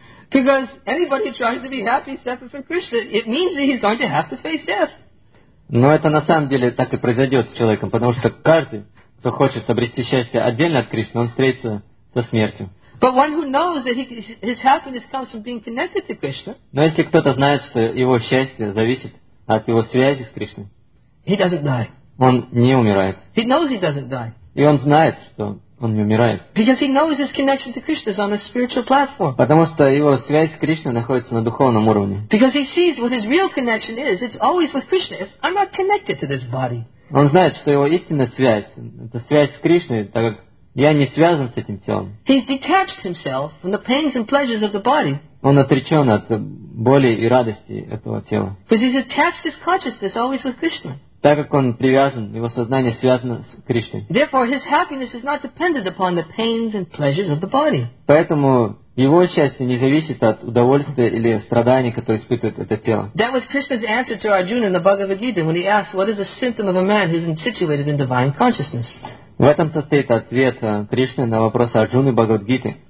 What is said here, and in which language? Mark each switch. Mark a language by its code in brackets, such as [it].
[en] Because anybody who tries to be happy separate from Krishna, it means that he's going to have to face death. [ru] Но это на самом деле так и произойдет с человеком, потому что каждый, кто хочет обрести счастье отдельно от Кришны, он встретится со смертью. [en] But one who knows that his happiness comes from being connected to Krishna. [ru] Но если кто-то знает, что его счастье зависит от его связи с Кришной. [en] He doesn't die. [ru] Он не умирает. [en] He knows he doesn't die. [ru] И он знает, что он не умирает. [en] Because he knows his connection to Krishna is on a spiritual platform. [ru] Потому что его связь с Кришной находится на духовном уровне. [en] Because he sees what his real connection is. It's always with Krishna. I'm not connected to this body. [ru] Он знает, что его истинная связь — это связь с Кришной, так как я не связан с этим телом. [en] He's detached himself from the pains and pleasures of the body. [ru] Он отречен от боли и радости этого тела. [en] Because he's attached his consciousness always with Krishna. [ru] Так как он привязан, его сознание связано с Кришной. [en] Therefore, his happiness is not dependent upon the pains and pleasures of the body. [ru] Поэтому его счастье не зависит от удовольствия или страданий, которые испытывает это тело. [en] That was Krishna's answer to Arjuna in the Bhagavad Gita when he asked, "What is the symptom of a man who's situated in divine consciousness?" [ru] В этом состоит ответ Кришны на вопрос Арджуны Бхагавад-гиты.